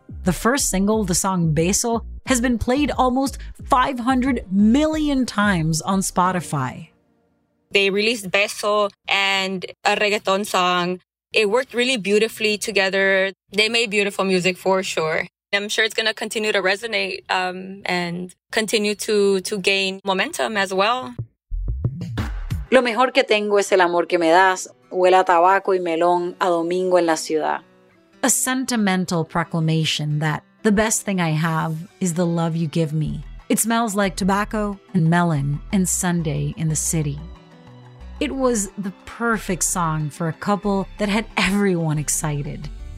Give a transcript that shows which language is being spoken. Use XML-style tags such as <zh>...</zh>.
<en>The first single, the song Beso, has been played almost 500 million times on Spotify. They released Beso and a reggaeton song It worked really beautifully together. They made beautiful music for sure. I'm sure it's going to continue to resonate and continue to gain momentum as well.</en> <es>Lo mejor que tengo es el amor que me das. Huele a tabaco y melón a domingo en la ciudad.</es> <en>A sentimental proclamation that the best thing I have is the love you give me. It smells like tobacco and melon and Sunday in the city. It was the perfect song for a couple that had everyone excited.</en>